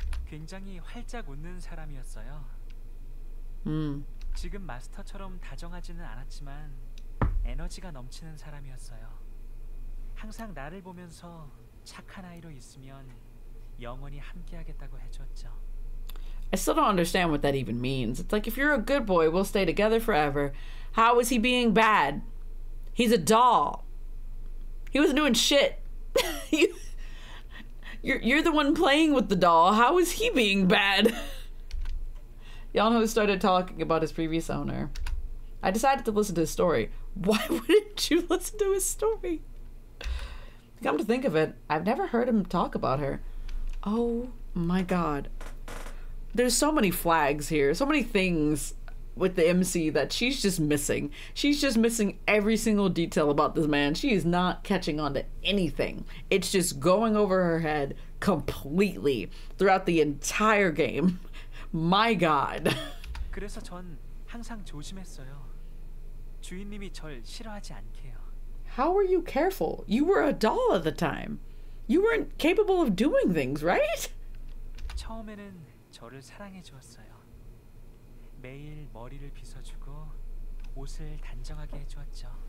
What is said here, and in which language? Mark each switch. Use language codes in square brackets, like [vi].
[ko] 굉장히 활짝 웃는 사람이었어요. 지금 마스터처럼 다정하지는 않았지만 에너지가 넘치는 사람이었어요. 항상 나를 보면서 착한 아이로 있으면 영원히 함께하겠다고 해줬죠. [en] I still don't understand what that even means. It's like, if you're a good boy, we'll stay together forever. How is he being bad? He's a doll. He wasn't doing shit. You're the one playing with the doll. How is he being bad? Yeonho started talking about his previous owner. I decided to listen to his story. Why wouldn't you listen to his story? Come to think of it, I've never heard him talk about her. Oh my god. There's so many flags here, so many things with the MC that she's just missing. She's just missing every single detail about this man. She is not catching on to anything. It's just going over her head completely throughout the entire game. My god. [ko] 그래서 전 항상 조심했어요. 주인님이 절 싫어하지 않게요. [en] How were you careful? You were a doll at the time. You weren't capable of doing things, right? [ko] 처음에는 저를 사랑해 주었어요. 매일 머리를 빗어주고 옷을 단정하게 해주었죠.